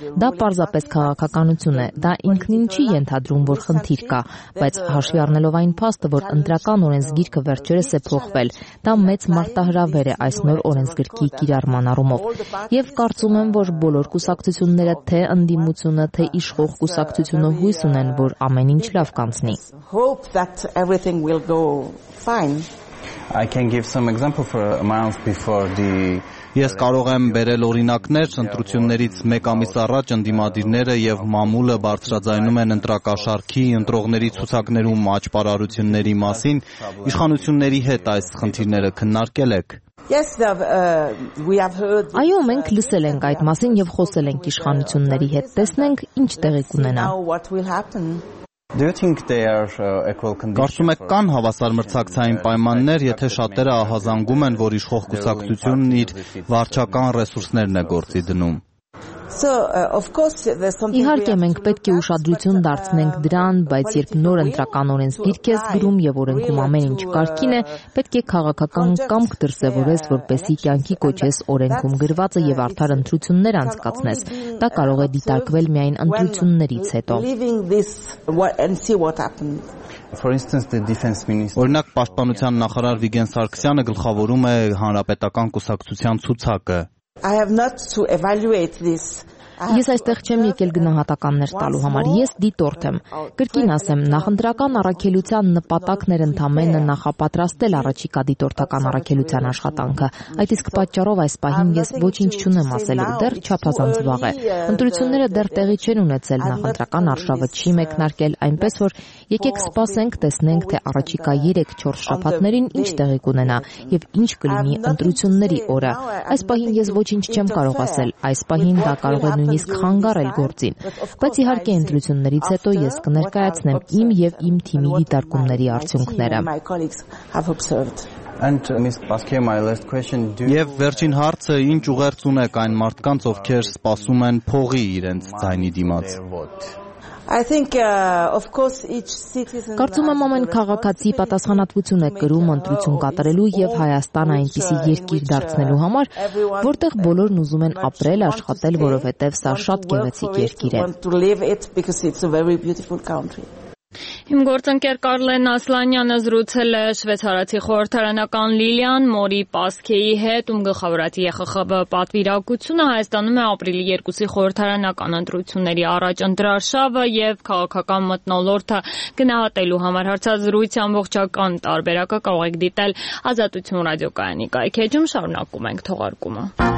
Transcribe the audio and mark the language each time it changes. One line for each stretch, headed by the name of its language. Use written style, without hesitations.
Armenian: Դա պարզապես քաղաքականություն է, դա ինքնին չի ենթադրում, որ խնդիր կա, բայց հաշվի առնելով այն փաստը, որ ընտրական օրենսգիրքը վերջերս է փոխվել, դա մեծ մարտահրավեր է այս նոր օրենսգրքի կիրառման առումով։ Եվ կարծում եմ, որ բոլոր կուսակցությունները, թե ընդդիմությունը, թե իշխող կուսակցությունը, հույս ունեն, որ ամեն ինչ լավ կանցնի։
English: Hope that everything will go fine. I can give some example for a month before the
Armenian: Ես կարող եմ բերել օրինակներ, ընտրություններից մեկ ամիս առաջ ընդդիմադիրները եւ մամուլը բարձրաձայնում են ընտրակաշարքի ընտրողների ցուցակներում աջպարարությունների մասին, իշխանությունների հետ այս խնդիրները քննարկել եք։
English: Yes, we have heard.
Armenian: Այո, մենք լսել ենք այդ մասին եւ խոսել ենք իշխանությունների հետ, տեսնենք ինչ տեղի կունենա։
English: Do you think there are equal conditions?
Armenian: Կարծում եք կան հավասար մրցակցային պայմաններ, եթե շատերը ահազանգում են, որ իշխող կուսակցությունն իր վարչական ռեսուրսներն է գործի դնում։ Իհարկե մենք պետք է ուշադրություն դարձնենք դրան, բայց երբ նոր ընտրական օրենսգիրք ես գրում եւ օրենքում ամեն ինչ կարգին է, պետք է քաղաքական կամք դրսեւորես, որպեսզի կյանքի կոչես օրենքում գրվածը եւ արդար ընտրություններ անցկացնես։ Դա կարող է դիտարկվել միայն ընտրություններից հետո։
English: For instance, the defense minister.
Armenian: Օրինակ, պաշտպանության նախարար Վիգեն Սարգսյանը գլխավորում է հանրապետական կուսակցության ցուցակը։
English: I have not to evaluate this.
Armenian: Ես այստեղ չեմ եկել գնահատականներ տալու համար, ես դիտորդ եմ։ Կրկին ասեմ, նախընտրական առաքելության նպատակն էր ընդամենը նախապատրաստել առաջիկա դիտորդական առաքելության աշխատանքը։ Այդ իսկ պատճառով այս պահին ես ոչինչ չունեմ ասելու, դեռ չափազանց վաղ է։ Ընտրությունները դեռ տեղի չեն ունեցել, նախընտրական արշավը չի մեկնարկել, այնպես որ եկեք սպասենք, տեսնենք, թե առաջիկա 3-4 շաբաթներին ինչ տեղի կունենա եւ ինչ կլինի ընտրությունների օրը։ Այս պահին ես ոչինչ չեմ կարող ասել, այս պահին դա կարող նույնիսկ խանգարել գործին, բայց իհարկե ընտրություններից հետո ես կներկայացնեմ իմ եւ իմ թիմի դիտարկումների արդյունքները։
English: And Ms. Paskia, my last question, do
Armenian: Եվ վերջին հարցը, ինչ ուղերձ ունեք այն մարդկանց, ովքեր սպասում են փողի իրենց ցայնի դիմաց։
English: I think of course each citizen
Armenian: Կարծում եմ ամեն քաղաքացի պատասխանատվություն է կրում ընտրություն կատարելու եւ Հայաստան այնպիսի երկիր դարձնելու համար, որտեղ բոլորն ուզում են ապրել, աշխատել, որովհետեւ սա շատ գեղեցիկ երկիր է։ Իմ գործընկեր Կարլեն Ասլանյանը զրուցել է շվեցարացի խորհրդարանական Լիլիան Մորի Պասկեի հետ, ում գլխավորացի ԵԽԽԲ պատվիրակությունը Հայաստանում է ապրիլի 2-ի խորհրդարանական ընտրությունների առաջ ընդրաշավը եւ քաղաքական մտնոլորտը գնահատելու համար հարցազրույցի ամբողջական տարբերակը կարող եք դիտել Ազատություն ռադիոկայանի կայքերում, շարունակում ենք թողարկումը։